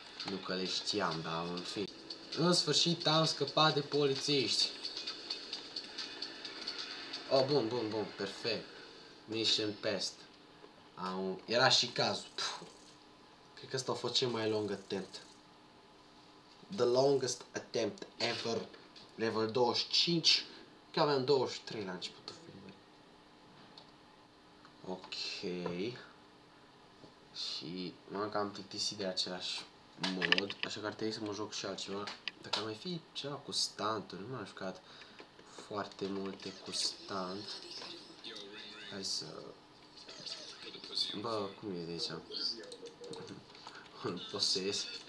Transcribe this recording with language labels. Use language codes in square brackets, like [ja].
[ro] Nu că le știam, dar în fi. În sfârșit am scăpat de polițiști. Oh, bun, bun, bun, perfect. [en] Mission passed. [ro] Era și cazul. Puh. Cred că asta a fost cel mai [en] long attempt. The longest attempt ever. Level 25. [ro] Că aveam 23 la începutul filmului. Ok. Și m-am cam plictisit de același mod. Așa că ar trebui să mă joc și altceva. Dacă ar mai fi ceva cu stunturi. Nu m-am jucat foarte multe cu stunt. Hai să... Bă, cum e de aici? Îl posez.